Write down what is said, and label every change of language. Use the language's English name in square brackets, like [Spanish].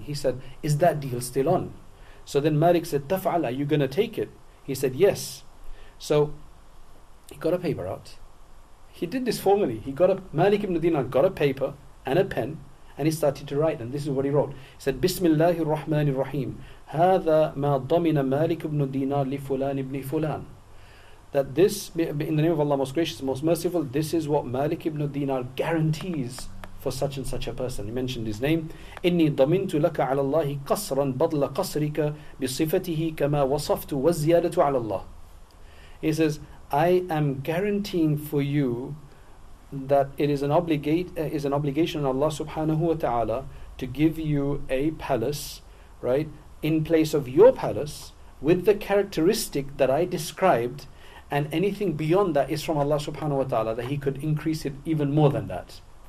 [English] He said, is that deal still on? So then Malik said, taf'al, are you going to take it? He said, yes. So he got a paper out. He did this formally. Malik ibn Dinar got a paper and a pen and he started to write. And this is what he wrote. He said, Bismillahir Rahmanir Rahim. [Arabic] هذا ما ضمن مالك بن دينار لفلان ابن فلان. [English] That this, in the name of Allah, most gracious, most merciful, this is what Malik ibn Dinar guarantees for such and such a person. He mentioned his name. [Arabic] إني ضمنت لك على الله قصرا بدل قصرك بصفته كما وصفت وزيادة على الله. [English] He says, I am guaranteeing for you that it is an obligation on Allah subhanahu wa ta'ala to give you a palace, right, in place of your palace, with the characteristic that I described, and anything beyond that is from Allah subhanahu wa ta'ala, that He could increase it even more than that.